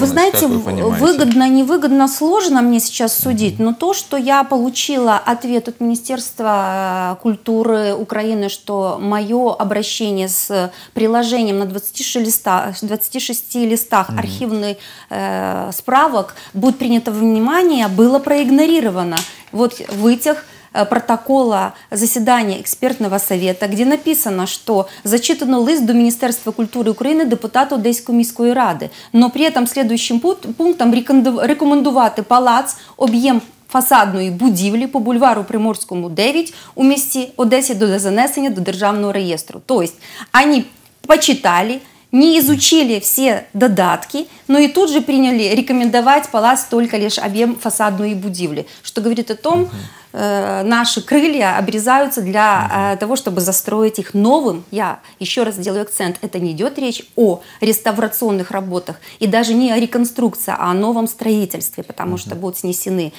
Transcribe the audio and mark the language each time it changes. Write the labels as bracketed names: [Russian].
[Russian] Вы знаете, выгодно, невыгодно, сложно мне сейчас судить, но то, что я получила ответ от Министерства культуры Украины, что мое обращение с приложением на 26 листах архивной справок будет принято во внимание, было проигнорировано. Вот вытяг протокола заседания экспертного совета, где написано, что зачитано лист до Министерства культуры Украины [Ukrainian] депутату Одеської міської ради, [Russian] но при этом следующим пунктом [Ukrainian] рекомендувати палац об'єм фасадної будівлі по бульвару Приморському 9 у місті Одесі до занесення до державного реєстру. [Russian] То есть они почитали, не изучили все додатки, но и тут же приняли рекомендовать палац только лишь объем фасадной будивли, что говорит о том, наши крылья обрезаются для того, чтобы застроить их новым. Я еще раз делаю акцент, это не идет речь о реставрационных работах и даже не о реконструкции, а о новом строительстве, потому что будут снесены